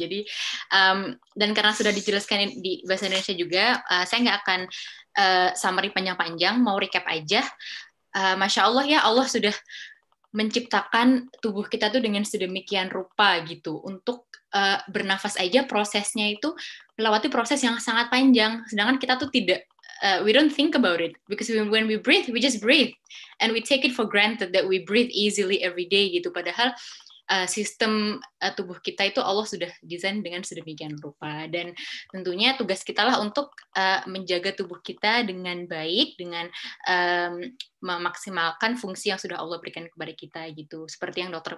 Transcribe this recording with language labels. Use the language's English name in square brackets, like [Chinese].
[Indonesian] Jadi, dan karena sudah dijelaskan di bahasa Indonesia juga, saya nggak akan summary panjang-panjang, mau recap aja. Masya Allah ya, Allah sudah menciptakan tubuh kita tuh dengan sedemikian rupa gitu. Untuk bernafas aja, prosesnya itu melewati proses yang sangat panjang. Sedangkan kita tuh tidak, [English] we don't think about it, because when we breathe, we just breathe, and we take it for granted that we breathe easily every day gitu. [Indonesian] Padahal sistem tubuh kita itu Allah sudah desain dengan sedemikian rupa, dan tentunya tugas kita lah untuk menjaga tubuh kita dengan baik, dengan memaksimalkan fungsi yang sudah Allah berikan kepada kita gitu, seperti yang Dr.